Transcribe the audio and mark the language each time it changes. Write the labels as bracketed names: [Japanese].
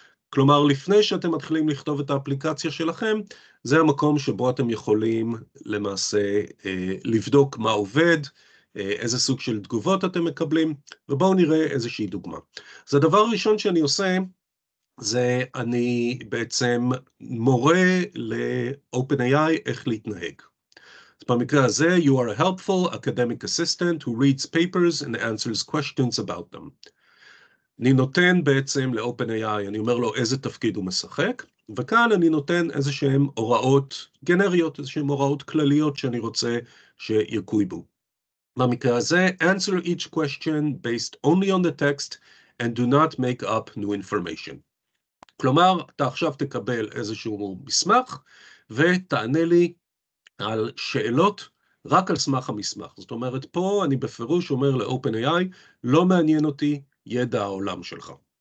[Hebrew] כלומר, לפני שאתם מתחילים לכתוב את האפליקציה שלכם, זה המקום שבו אתם יכולים למעשה לבדוק מה עובד, איזה סוג של תגובות אתם מקבלים, ובואו נראה איזושהי דוגמה. אז הדבר הראשון שאני עושה, זה אני בעצם מורה ל-OpenAI איך להתנהג. במקרה הזה, [English] you are a helpful academic assistant who reads papers and answers questions about them. [Hebrew] אני נותן בעצם ל-OpenAI, אני אומר לו איזה תפקיד הוא משחק, וכאן אני נותן איזשהם הוראות גנריות, איזשהם הוראות כלליות שאני רוצה שיקויבו. במקרה הזה, [English] answer each question based only on the text and do not make up new information. [Hebrew] כלומר, אתה עכשיו תקבל איזשהו מסמך ותענה לי על שאלות רק על סמך המסמך. זאת אומרת, פה אני בפירוש אומר ל-OpenAI, לא מעניין אותי ידע העולם שלך.